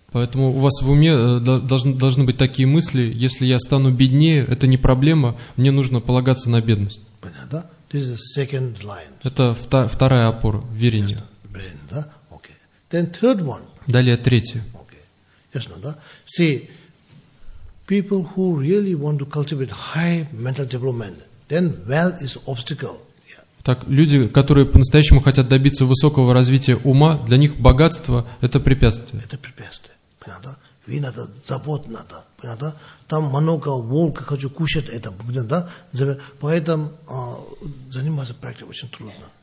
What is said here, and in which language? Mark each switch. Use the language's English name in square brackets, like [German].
[Russian] Поэтому у вас в уме должны быть такие мысли: если я стану беднее, это не проблема, мне нужно полагаться на бедность. Понятно, да? [English] This is the second line. [Russian] Это вторая опора, верение. [English] Yes, brain, да? Okay. Then third one. [Russian] Далее третье. [English] Okay. Yes, no, да? See, people who really want to cultivate high mental development, then wealth is obstacle. Yeah. [Russian] Так, люди, которые по-настоящему хотят добиться высокого развития ума, для них богатство — это препятствие. Это препятствие. понятно? Вина, да, забот надо, понятно? Там много волка хочу кушать, это, понятно? Да? Поэтому заниматься практикой очень трудно.